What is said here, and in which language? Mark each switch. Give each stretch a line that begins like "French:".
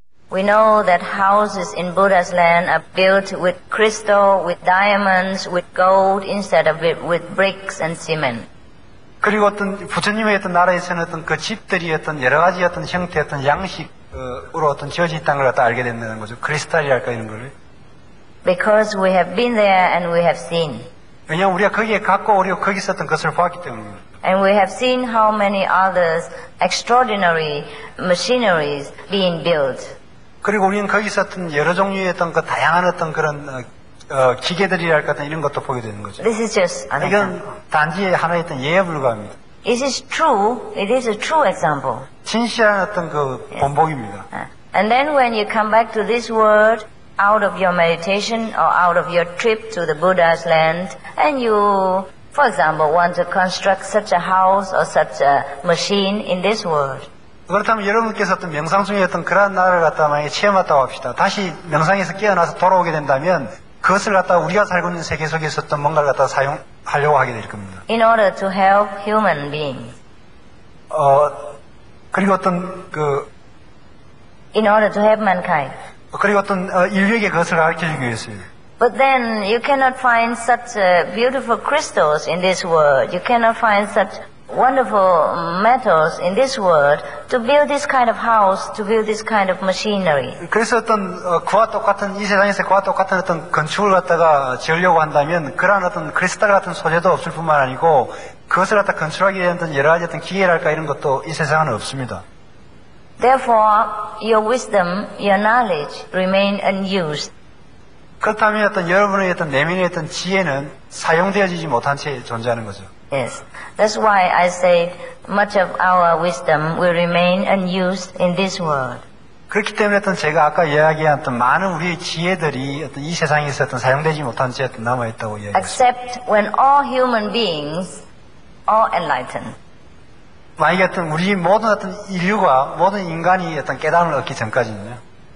English: We know that houses in Buddha's land are built with crystal, with diamonds, with gold, instead of it with bricks and cement.
Korean: 그리고 어떤 부처님의 어떤 나라에서는 어떤 그 집들이 어떤 여러 가지 어떤 형태 어떤 양식으로 어떤 지어져 있다는 걸 갖다 알게 된다는 거죠. 크리스탈이랄까 이런 거를.
English: Because we have been there and we have seen.
Korean: 왜냐하면 우리가 거기에 갔고 우리가 거기 있었던 것을 보았기 때문입니다.
English: And we have seen how many others extraordinary machineries being built.
Korean: 그리고 우리는 거기서 어떤 여러 종류의 어떤 그 다양한 어떤 그런 기계들이랄까 이런 것도 보게 되는 거죠.
English: This is just an example.
Korean: 이건 단지 하나의 어떤 예에 불과합니다.
English: It is true. It is a true example.
Korean: 진실한 어떤 그 본보기입니다.
English: And then when you come back to this world out of your meditation or out of your trip to the Buddha's land and you for example want to construct such a house or such a machine in this world.
Korean: 그렇다면 여러분께서 어떤 명상 중에 어떤 그러한 나라를 갖다 만약에 체험했다고 합시다. 다시 명상에서 깨어나서 돌아오게 된다면 그것을 갖다 우리가 살고 있는 세계 속에서 어떤 뭔가를 갖다 사용하려고 하게 될 겁니다.
English: In order to help human beings.
Korean: 그리고 어떤 그
English: In order to help mankind.
Korean: 그리고 어떤 인류에게 그것을 가르쳐주기 위해서요.
English: But then you cannot find such beautiful crystals in this world. You cannot find such wonderful metals in this world to build this kind of house, to build this kind of machinery.
Korean: 그래서 어떤 그와 똑같은 이 세상에서 그와 똑같은 어떤 건축을 갖다가 지으려고 한다면 그러한 어떤 크리스탈 같은 소재도 없을 뿐만 아니고 그것을 갖다 건축하기 위한 어떤 여러 가지 어떤 기계랄까 이런 것도 이 세상은 없습니다.
English: Therefore, your wisdom, your knowledge remain unused.
Korean: 그렇다면 어떤 여러분의 어떤 내면의 어떤 지혜는 사용되어지지 못한 채 존재하는 거죠.
English: Yes. That's why I say much of our wisdom will remain unused in this world.
Korean: 그렇기 때문에 어떤 제가 아까 이야기한 어떤 많은 우리의 지혜들이 어떤 이 세상에서 어떤 사용되지 못한 채 어떤 남아있다고 이야기합니다.
English: Except when all human beings are enlightened.
Korean: 만약에 어떤 우리 모든 어떤 인류가 모든 인간이 어떤 깨달음을 얻기 전까지는요.